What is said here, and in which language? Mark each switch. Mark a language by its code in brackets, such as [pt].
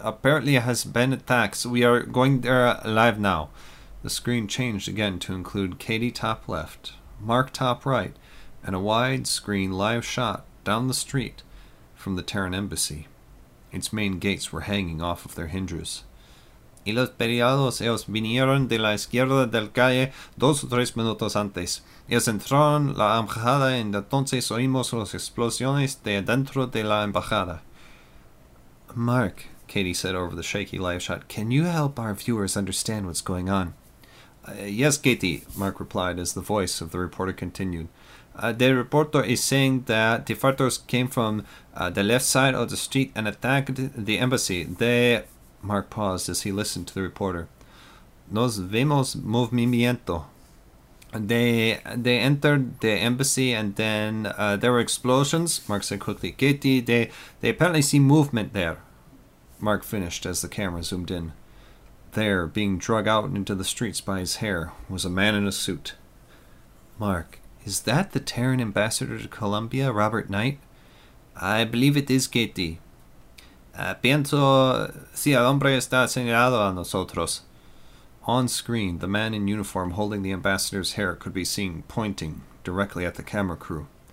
[en] Apparently it has been attacked. We are going there live now. The screen changed again to include Katie top left, Mark top right, and a wide screen live shot down the street from the Terran Embassy. Its main gates were hanging off of their hinges. [es] Y los periodos, ellos vinieron de la izquierda del calle dos o tres minutos antes. Ellos entraron la embajada y entonces oímos las explosiones de adentro de la embajada. [en] Mark, Katie said over the shaky live shot, can you help our viewers understand what's going on? Yes, Katie, Mark replied as the voice of the reporter continued. The reporter is saying that the fighters came from the left side of the street and attacked the embassy. Mark paused as he listened to the reporter. [es] Nos vemos movimiento. [en] They entered the embassy and then there were explosions, Mark said quickly. Katie, they apparently see movement there. Mark finished as the camera zoomed in. There, being dragged out into the streets by his hair, was a man in a suit. Mark, is that the Terran ambassador to Colombia, Robert Knight? I believe it is, Katie. [es] Pienso si el hombre está señalado a nosotros. [en] On screen, the man in uniform holding the ambassador's hair could be seen pointing directly at the camera crew.